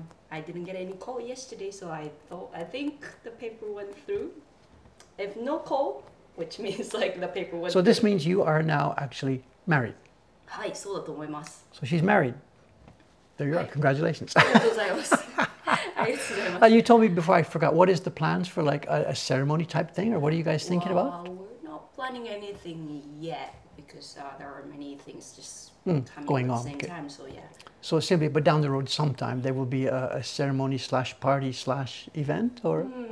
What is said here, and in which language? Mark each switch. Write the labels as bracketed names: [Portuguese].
[English] I didn't get any call yesterday, so I think the paper went through. If no call, which means like the paper went through. So this means you are now actually married. [Japanese] はい、そうだと思います。 [English] So she's married. There you are. Congratulations. [Japanese] ありがとうございます。ありがとうございます。 [English] You told me before, I forgot, what is the plans for like a ceremony type thing, or what are you guys thinking about? We're not planning anything yet, because there are many things just going on at the same time, so So simply, but down the road sometime, there will be a ceremony slash party slash event, or?